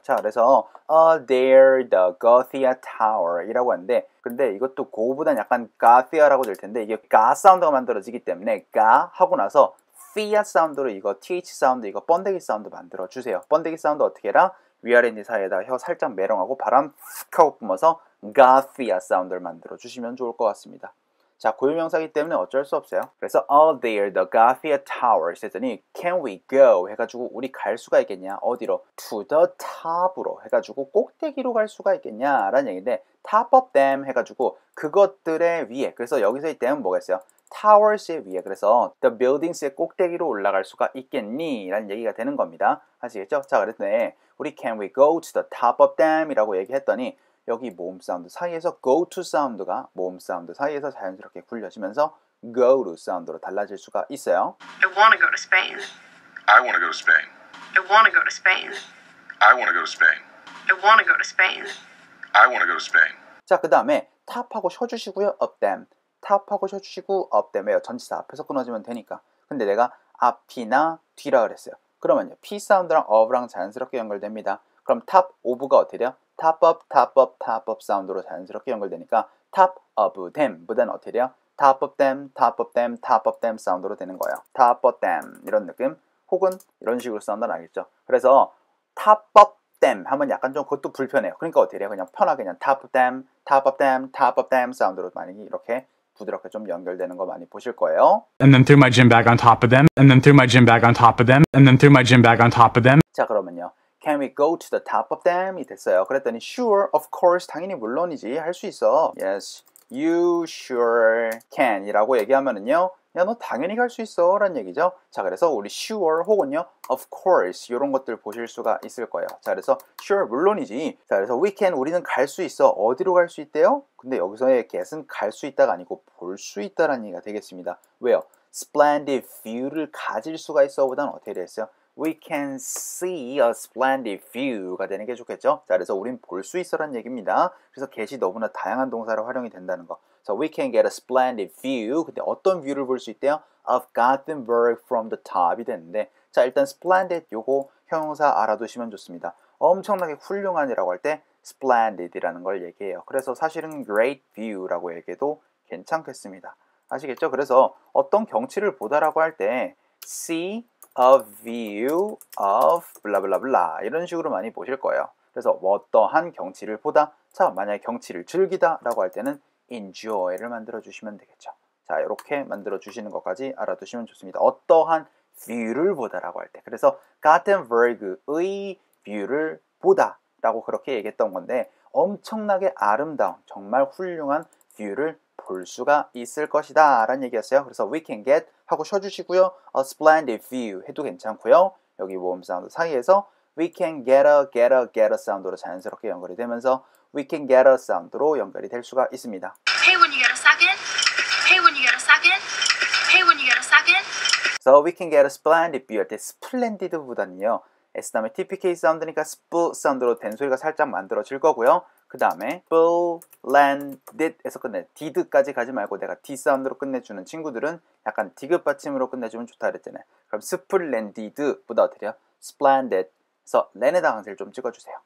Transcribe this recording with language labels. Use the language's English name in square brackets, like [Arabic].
[Korean] 자, 그래서 there the Gothia tower 이라고 하는데 근데 이것도 고보단 약간 Gothia라고 될 텐데 이게 가 사운드가 만들어지기 때문에 가 하고 나서 Thea 사운드로 이거 TH 사운드 이거 번데기 사운드 만들어주세요. 번데기 사운드 어떻게 해라? 위아랜디 사이에다가 혀 살짝 메롱하고 바람 훅 하고 뿜어서 Gothia 사운드를 만들어 주시면 좋을 것 같습니다. 자, 고유명사이기 때문에 어쩔 수 없어요. [English] 그래서 Oh, they are the Gothia towers [Korean] 했더니 [English] Can we go? [Korean] 해가지고 우리 갈 수가 있겠냐? 어디로? To the top으로 해가지고 꼭대기로 갈 수가 있겠냐? 라는 얘기인데 Top of them 해가지고 그것들의 위에 그래서 여기서 이 them 뭐겠어요? towers의 위에, 그래서 the buildings의 꼭대기로 올라갈 수가 있겠니? 라는 얘기가 되는 겁니다. 아시겠죠? 자, 그랬더니 우리 [English] can we go to the top of them? [Korean] 이라고 얘기했더니 여기 모음 사운드 사이에서 go to 사운드가 모음 사운드 사이에서 자연스럽게 굴려지면서 go to 사운드로 달라질 수가 있어요. [English] I want to go to Spain. I want to go to Spain. I want to go to Spain. I want to go to Spain. I want to go to Spain. I want to go to Spain. [Korean] 자, 그 다음에 top하고 쉬어주시고요. up them. top하고 쉬어주시고 up them에요. 전치사 앞에서 끊어지면 되니까. 근데 내가 앞이나 뒤라 그랬어요. 그러면요, p 사운드랑 of랑 자연스럽게 연결됩니다. 그럼 top of가 어떻게 돼요? [English] top of, top of, top of [Korean] 사운드로 자연스럽게 연결되니까 [English] top of them 보다는 어떻게 돼요? top of them, top of them, top of them 사운드로 되는 거예요. [Korean] top of them 이런 느낌 혹은 이런 식으로 사운드는 알겠죠. 그래서 top of them 하면 약간 좀 그것도 불편해요. 그러니까 어떻게 돼요? 그냥 편하게 그냥 top of them, top of them, top of them 사운드로 많이 이렇게 부드럽게 좀 연결되는 거 많이 보실 거예요. [English] And then threw my gym bag on top of them. And then threw my gym bag on top of them. And then threw my gym bag on top of them. [Korean] 자, 그러면요. [English] Can we go to the top of them? [Korean] 이 됐어요. 그랬더니 sure, of course, 당연히 물론이지. 할 수 있어. [English] Yes, you sure can. [Korean] 이라고 얘기하면은요. 야, 너 당연히 갈 수 있어. 라는 얘기죠. 자, 그래서 우리 sure 혹은요. [English] of course. [Korean] 이런 것들 보실 수가 있을 거예요. 자, 그래서 sure, 물론이지. 자, 그래서 we can, 우리는 갈 수 있어. 어디로 갈 수 있대요? 근데 여기서의 get은 갈 수 있다가 아니고 볼 수 있다라는 얘기가 되겠습니다. 왜요? splendid view를 가질 수가 있어. 보단 어떻게 됐어요? [English] We can see a splendid view가 [Korean] 되는 게 좋겠죠? 자, 그래서 우린 볼 수 있어라는 얘기입니다. 그래서 get이 너무나 다양한 동사로 활용이 된다는 거. [English] So we can get a splendid view. [Korean] 근데 어떤 view를 볼 수 있대요? Of Gothenburg from the top이 되는데 자, 일단 splendid 요거 형용사 알아두시면 좋습니다. 엄청나게 훌륭한이라고 할 때 splendid이라는 걸 얘기해요. 그래서 사실은 great view라고 얘기해도 괜찮겠습니다. 아시겠죠? 그래서 어떤 경치를 보다라고 할 때 see a view of 블라블라블라 이런 식으로 많이 보실 거예요. 그래서 어떠한 경치를 보다, 자, 만약에 경치를 즐기다 라고 할 때는 enjoy를 만들어주시면 되겠죠. 자, 이렇게 만들어주시는 것까지 알아두시면 좋습니다. 어떠한 view를 보다라고 할 때, 그래서 Gothenburg의 view를 보다라고 그렇게 얘기했던 건데 엄청나게 아름다운, 정말 훌륭한 view를 볼 수가 있을 것이다 라는 얘기였어요. 그래서 we can get 하고 쉬어주시고요. [English] a splendid view 해도 괜찮고요. [Korean] 여기 모음 사운드 사이에서 we can get a 사운드로 자연스럽게 연결이 되면서 we can get a 사운드로 연결이 될 수가 있습니다. [English] Hey when you get a second. Hey when you get a second. Hey when you get a second. So we can get a splendid view [Korean] 할 때 [English] splendid 보다는요. [Korean] S 다음에 TPK 사운드니까 sp 사운드로 된소리가 살짝 만들어질 거고요. 그 다음에 splendid 에서 끝내 did까지 가지 말고 내가 d 사운드로 끝내주는 친구들은 약간 디귿 받침으로 끝내주면 좋다 그랬잖아요. 그럼 splendid 보다 어떻게 해요? splendid 그래서 렌의 다강세를 좀 찍어주세요.